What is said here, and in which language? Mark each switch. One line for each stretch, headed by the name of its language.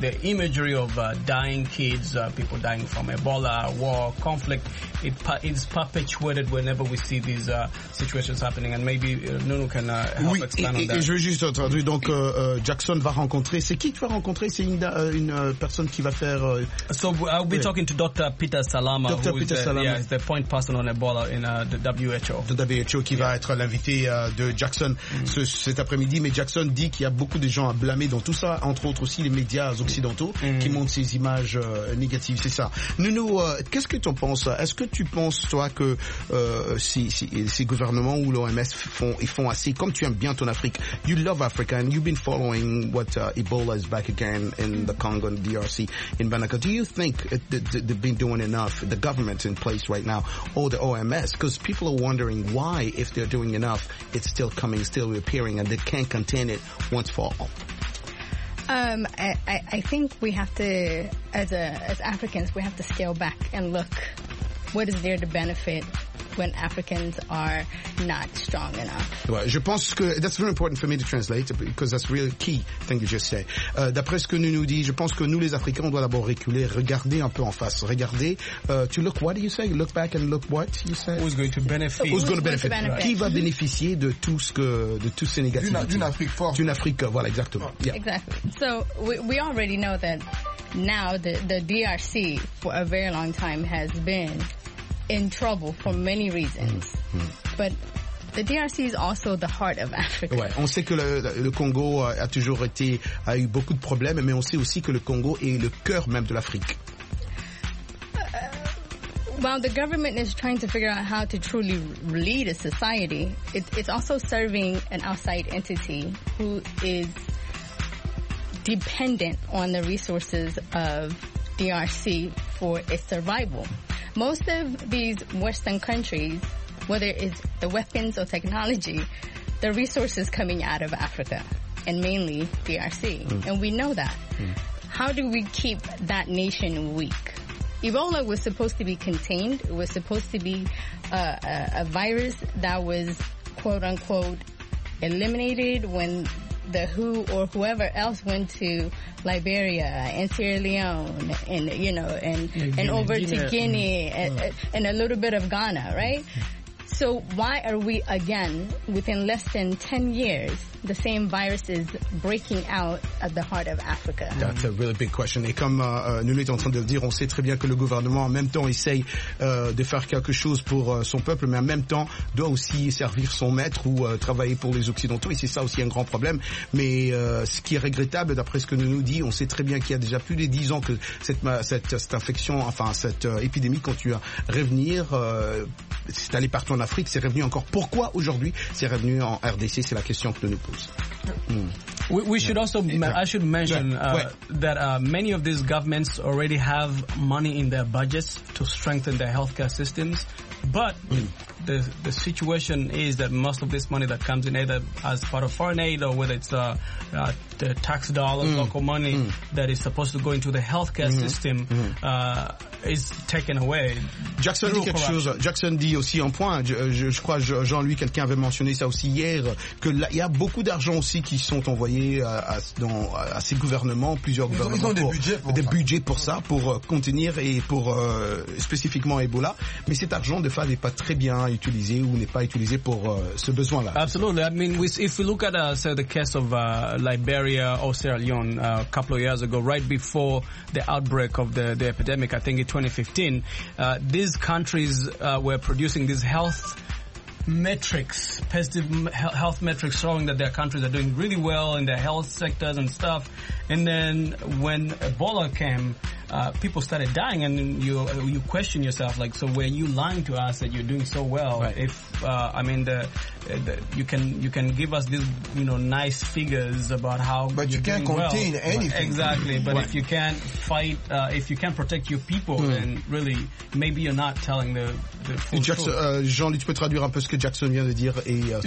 English: The imagery of, dying kids, people dying from Ebola, war, conflict, it's perpetuated whenever we see these, situations happening, and maybe Nounou can,
French: Oui, et je veux juste traduire. Donc, Jackson va rencontrer. C'est qui tu vas rencontrer? C'est une personne qui va faire.
English: So I'll be talking to Dr. Peter Salama. Dr. Peter Salama, yeah, the point person on Ebola in the WHO.
French: The WHO qui va être l'invité de Jackson cet après-midi. Mais Jackson dit qu'il y a beaucoup de gens à blâmer dans tout ça, entre autres aussi les médias occidentaux qui montrent ces images négatives. C'est ça. Nounou, qu'est-ce que tu en penses? Est-ce que tu penses toi que ces gouvernements ou l'OMS font assez? Comme tu aimes bien ton Afrique,
English: you love Africa, and you've been following what Ebola is back again in the Congo, and DRC, in Banaka. Do you think they've been doing enough, the government in place right now, or the OMS? Because people are wondering why, if they're doing enough, it's still coming, still reappearing, and they can't contain it once for all. I think we have to, as Africans, we have to scale back and look what is there to benefit when Africans are not strong enough.
French: Ouais, je pense que
English: that's very important for me to translate because that's really key thing you just say.
French: D'après ce que Nounou dit, je pense que nous les Africains on doit d'abord reculer, regarder un peu en face, regarder.
English: To look, what do you say? Look back and look what you say. Who's going to benefit? Who's going to benefit?
French: Right. Qui va bénéficier de tout ce que de tous ces négatifs? D'une Afrique forte. D'une Afrique, voilà, exactement.
English: Yeah. Exactly. So we already know that now the DRC for a very long time has been in trouble for many reasons. But the DRC is also the heart of Africa.
French: Ouais, on sait que le Congo a toujours été a eu beaucoup de problèmes, mais on sait aussi que le Congo est le cœur même de l'Afrique.
English: while the government is trying to figure out how to truly lead a society, it's also serving an outside entity who is dependent on the resources of DRC for its survival. Most of these Western countries, whether it's the weapons or technology, the resources coming out of Africa and mainly DRC. Mm. And we know that. Mm. How do we keep that nation weak? Ebola was supposed to be contained. It was supposed to be a virus that was quote unquote eliminated when the WHO or whoever else went to Liberia and Sierra Leone and, you know, and over to Guinea and a little bit of Ghana, right? So why are we again, within less than 10 years, the same viruses breaking out at the heart of Africa? That's a really big question.
French: Et comme Nuno est en train de le dire, on sait très bien que le gouvernement, en même temps, essaye de faire quelque chose pour son peuple, mais en même temps, doit aussi servir son maître ou travailler pour les Occidentaux. Et c'est ça aussi un grand problème. Mais ce qui est regrettable, d'après ce que Nuno dit, on sait très bien qu'il y a déjà plus de 10 ans que cette infection, enfin cette épidémie, continue à revenir. C'est allé partout en Afrique, c'est revenu encore. Pourquoi aujourd'hui c'est revenu en RDC? C'est la question que nous pose.
English: We should also, I should mention that many of these governments already have money in their budgets to strengthen their healthcare systems, but the situation is that most of this money that comes in either as part of foreign aid or whether it's the tax dollars, local money that is supposed to go into the healthcare system is taken away.
French: Jackson dit quelque chose. Jackson dit aussi un point. Je crois Jean-Louis, quelqu'un avait mentionné ça aussi hier, que il y a beaucoup d'argent aussi qui sont envoyés à ces gouvernements, plusieurs gouvernements. Ils ont des budgets pour ça, pour contenir et pour spécifiquement Ebola. Mais cet argent, des fois, n'est pas très bien utilisé ou n'est pas utilisé pour ce besoin-là.
English: Absolutely. I mean, if we look at say the case of Liberia or Sierra Leone a couple of years ago, right before the outbreak of the epidemic, I think in 2015, these countries were producing these health metrics, positive health metrics showing that their countries are doing really well in their health sectors and stuff. And then when Ebola came, people started dying, and you question yourself, like, so were you lying to us that you're doing so well? Right. If you can give us these, you know, nice figures about how, but you're you can't doing contain well. Anything exactly. But right. If you can't fight, if you can't protect your people, then really maybe you're not telling the full Jackson, truth.
French: Jean-Luc, tu peux traduire un peu ce que Jackson vient de dire et ce